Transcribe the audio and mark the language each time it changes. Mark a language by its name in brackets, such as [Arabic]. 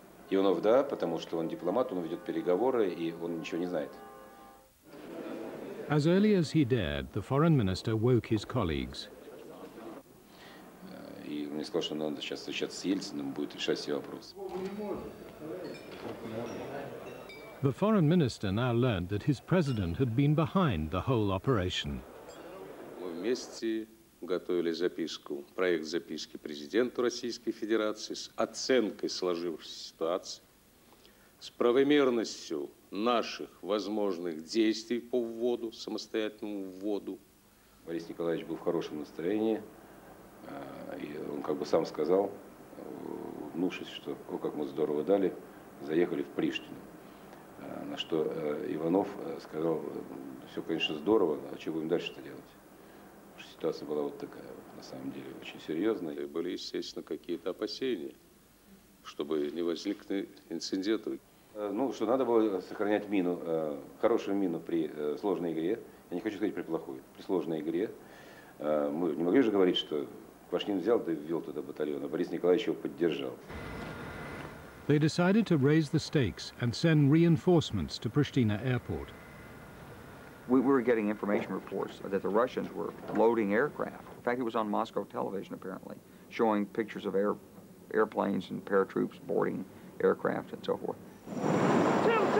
[Russian] Юнов, да, потому что он дипломат, он ведет переговоры, и он ничего не знает. [English] As early as he dared, the foreign minister woke his colleagues. [Russian] И мне сказали, что надо сейчас встречаться с Ельциным, будет решать все вопросы. [English] The foreign minister now learned that his president had been behind the whole operation. [Russian] Мы вместе готовили записку, проект записки президенту Российской Федерации с оценкой сложившейся ситуации, с правомерностью наших возможных действий по вводу, самостоятельному вводу. Борис Николаевич был в хорошем настроении, и он как бы сам сказал, внушившись, что, о, как мы здорово дали, заехали в Приштину. На что Иванов сказал, все, конечно, здорово, а что будем дальше-то делать? Потому что ситуация была вот такая, на самом деле, очень серьезная. И были, естественно, какие-то опасения, чтобы не возникли инциденты. Ну, что надо было сохранять мину, хорошую мину при сложной игре. Я не хочу сказать при плохой, при сложной игре. Мы не могли же говорить, что Квашнин взял да и ввел туда батальон, а Борис Николаевич его поддержал. [English] They decided to raise the stakes and send reinforcements to Pristina Airport. We were getting information reports that the Russians were loading aircraft. In fact, it was on Moscow television, apparently, showing pictures of airplanes and paratroops boarding aircraft and so forth.